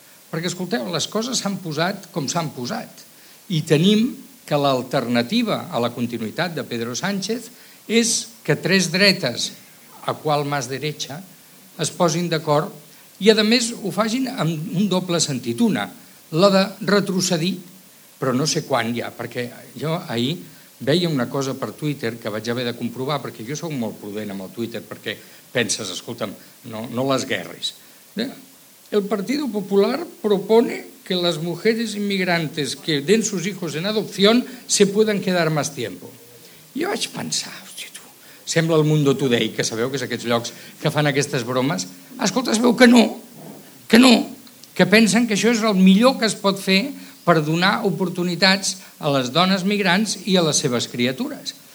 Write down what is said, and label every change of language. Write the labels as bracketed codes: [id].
[ca] Perquè, escolteu, les coses s'han posat com s'han posat i tenim que l'alternativa a la continuïtat de Pedro Sánchez és que tres dretes, a qual [es] más derecha, [ca] es posin d'acord i, a més, ho facin amb un doble sentit. Una, la de retrocedir, però no sé quan ja, perquè jo ahir veia una cosa per Twitter que vaig haver de comprovar, perquè jo sóc molt prudent amb el Twitter, perquè penses, escolta'm, no les guerris. [es] El Partido Popular propone que las mujeres inmigrantes que den sus hijos en adopción se puedan quedar más tiempo. [ca] Jo vaig pensar, hosti, tu, sembla el Mundo Today, que sabeu que és aquests llocs que fan aquestes bromes. Escolta, es veu que no, que pensen que això és el millor que es pot fer per donar oportunitats a les dones migrants i a les seves criatures.